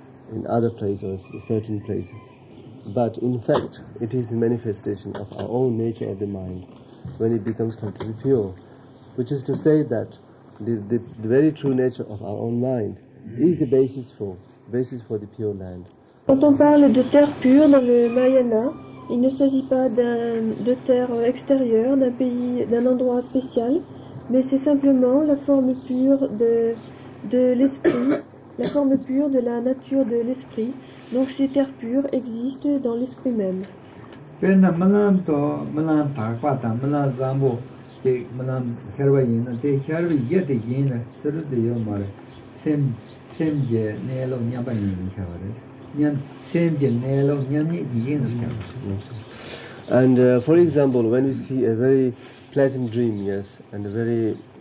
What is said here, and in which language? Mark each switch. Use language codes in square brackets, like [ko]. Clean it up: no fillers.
[en] in other places or certain places, but in fact it is a manifestation of our own nature of the mind when it becomes completely pure, which is to say that the very true nature of our own mind is the basis for the pure land. [fr] Quand on parle de terre pure dans le Mahayana, il ne s'agit pas de terre extérieure, d'un pays, d'un endroit spécial, mais c'est simplement la forme pure de l'esprit, la forme pure de la nature de l'esprit. Donc ces terres pures existent dans l'esprit même. [en] And for example, when we see a very pleasant dream, yes, and a very